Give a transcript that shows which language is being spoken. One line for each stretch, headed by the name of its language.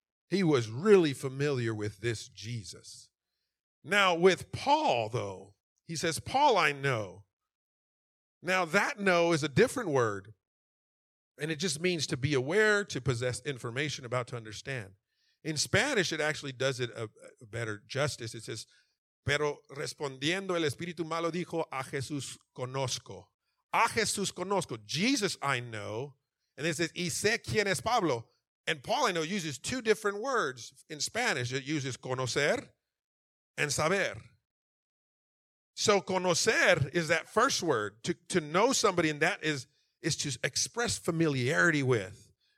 English: He was really familiar with this Jesus. Now, with Paul, though, he says, Paul I know. Now, that know is a different word, and it just means to be aware, to possess information, about to understand. In Spanish, it actually does it a better justice. It says,
Spanish: pero respondiendo el espíritu malo dijo, a Jesús conozco. A Jesús conozco.
English: Jesus I know. And it says,
Spanish: y sé quién es Pablo.
English: And Paul, I know, uses two different words in Spanish. It uses conocer and saber. So conocer is that first word, to know somebody, and that is to express familiarity with.